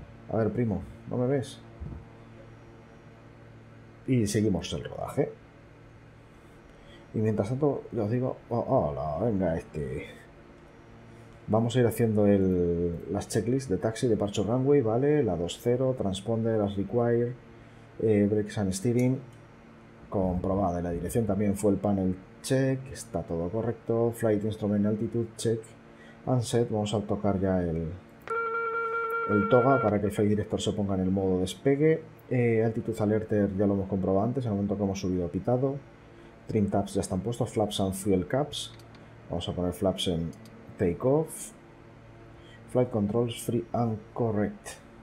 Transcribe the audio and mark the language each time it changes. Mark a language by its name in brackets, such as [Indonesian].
[Spanish] A ver, primo, ¿no me ves? Y seguimos el rodaje. Y mientras tanto, yo os digo, oh, hola, venga, Vamos a ir haciendo las checklists de taxi, [English] departure runway, [Spanish] ¿vale? [English] La 2-0, transponder as required. Brakes and steering [Spanish] comprobada en la dirección también [English] fuel panel check, [Spanish] está todo correcto. [English] Flight instrument altitude check and set. [Spanish] Vamos a tocar ya el toga para que el flight director se ponga en el modo despegue. Altitude alerter ya lo hemos comprobado antes, en el momento que hemos subido pitado. Trim tabs ya están puestos. [English] Flaps and fuel caps, [Spanish] vamos a poner flaps en take off. [English] Flight controls free and correct.